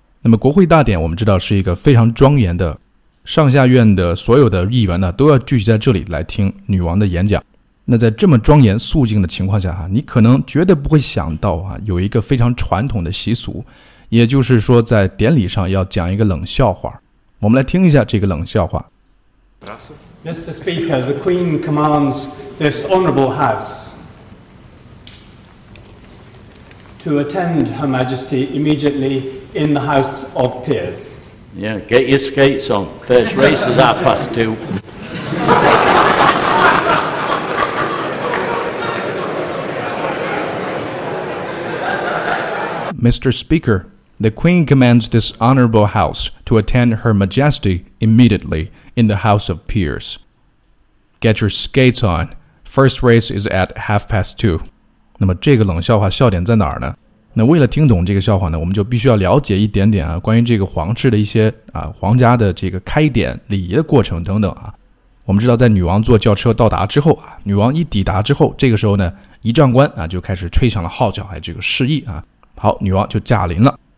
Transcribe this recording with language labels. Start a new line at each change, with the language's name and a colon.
Chinese: 那么国会大典我们知道是一个非常庄严的，上下院的所有的议员呢都要聚集在这里来听女王的演讲。那在这么庄严肃静的情况下啊，你可能绝对不会想到啊，有一个非常传统的习俗。也就是说，在典礼上要讲一个冷笑话，我们来听一下这个冷笑话。
English: Mr. Speaker, the Queen commands this Honourable House to attend Her Majesty immediately in the House of Peers. Yeah, get your skates on. First race is half past two. Mr. Speaker. The Queen commands this honorable house to attend Her Majesty immediately in the House of Peers. Get your skates on. First race is at half past two.
Chinese: 那么这个冷笑话笑点在哪儿呢？那为了听懂这个笑话呢，我们就必须要了解一点点啊，关于这个皇室的一些啊，皇家的这个开典礼仪的过程等等啊。我们知道，在女王坐轿车到达之后啊，女王一抵达之后，这个时候呢，仪仗官啊就开始吹响了号角，这个示意啊，好，女王就驾临了。